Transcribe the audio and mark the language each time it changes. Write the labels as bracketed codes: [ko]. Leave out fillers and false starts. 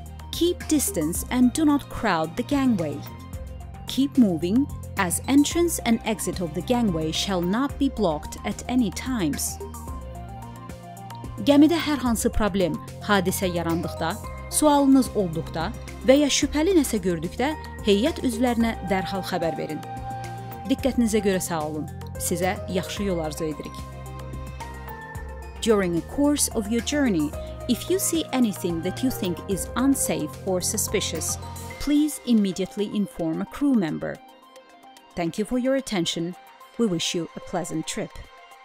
[en] Keep distance and do not crowd the gangway. Keep moving, as entrance and exit of the gangway shall not be blocked at any times. [az] Gəmidə hər hansı problem, hadisə yarandıqda, sualınız olduqda və ya şübhəli nəsə gördükdə heyət üzvlərinə dərhal xəbər verin. Diqqətinizə görə sağ olun. Sizə yaxşı yol arzu edirik. [en] During a course of your journey, if you see anything that you think is unsafe or suspicious, please immediately inform a crew member. Thank you for your attention. We wish you a pleasant trip.